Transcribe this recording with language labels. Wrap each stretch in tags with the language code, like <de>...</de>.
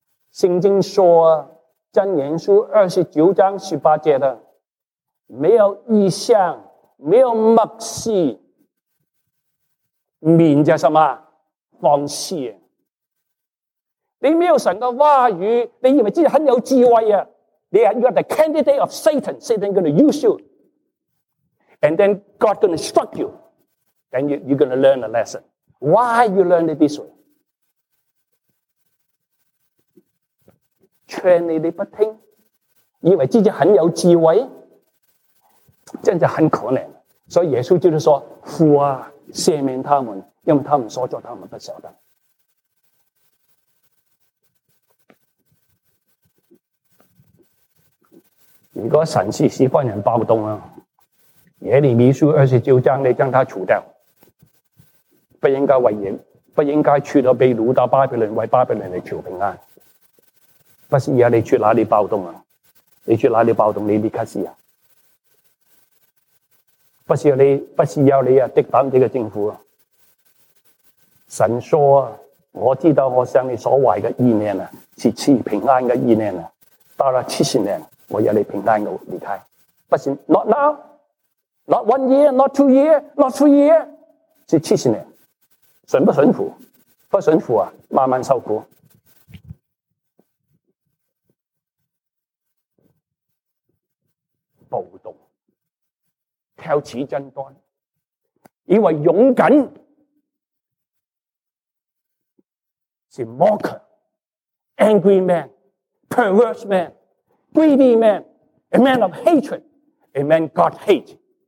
<zh>圣经说啊，箴言书二十九章十八节的，没有异象，没有默示，免着什么放肆。你没有神的话语，你以为自己很有智慧啊？你</zh> <en>are the candidate of Satan. Satan is going to use you, and then God is going to instruct you. Then you're going to learn a lesson. Why you learn it this way?</en> <zh>劝你你不听，以为自己很有智慧，真的很可怜。所以耶稣就是说，父啊，赦免他们，因为他们所做他们不晓得。如果神是喜欢人暴动，耶利米书二十九章你将他除掉，不应该为人，不应该去到被掳到巴比伦，为巴比伦来求平安。不是啊，你去哪里暴动啊？你去哪里暴动？你离开啊？不是要你，不是要你啊！敌反这个政府啊！神说啊，我知道我向你所怀的意念啊，是赐平安的意念啊。到了七十年，我要你平安的离开。不是</zh> <en>，not now, not one year, not two year, not three year,</en> <zh>是七十年。顺不顺服？不顺服啊，慢慢受苦。暴动，挑起争端，以为勇敢是</zh> <en>mocker, angry man, perverse man, greedy man, a man of hatred, a man God hate.</en>